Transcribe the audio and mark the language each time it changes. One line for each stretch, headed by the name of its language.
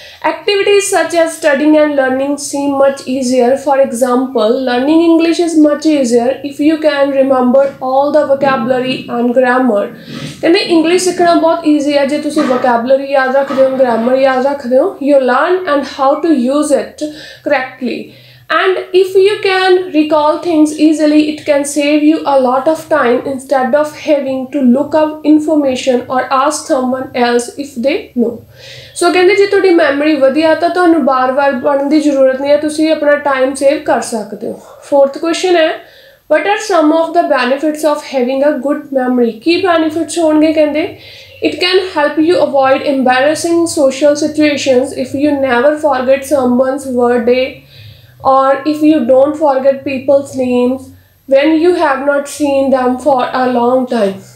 English: Activities such as studying and learning seem much easier. For example, learning English is much easier if you can remember all the vocabulary and grammar.
Punjabi: ਕਹਿੰਦੇ English ਸਿੱਖਣਾ ਬਹੁਤ easy ਹੈ ਜੇ ਤੁਸੀਂ vocabulary ਯਾਦ ਰੱਖਦੇ ਹੋ, ਗ੍ਰਾਮਰ ਯਾਦ ਰੱਖਦੇ ਹੋ.
English: You learn and how to use it correctly. And if you can recall things easily, it can save you a lot of time instead of having to look up information or ask someone else if they know.
Punjabi: ਸੋ ਕਹਿੰਦੇ ਜੇ ਤੁਹਾਡੀ memory ਵਧੀਆ ਤਾਂ ਤੁਹਾਨੂੰ ਬਾਰ ਬਾਰ ਪੜ੍ਹਨ ਦੀ ਜ਼ਰੂਰਤ ਨਹੀਂ ਹੈ, ਤੁਸੀਂ ਆਪਣਾ ਟਾਈਮ ਸੇਵ ਕਰ ਸਕਦੇ ਹੋ.
English: Fourth question ਹੈ what are some of the benefits of having a good memory?
Punjabi: Ki benefits ਹੋਣਗੇ? ਕਹਿੰਦੇ
English: It can help you avoid embarrassing social situations if you never forget someone's birthday or if you don't forget people's names when you have not seen them for a long time.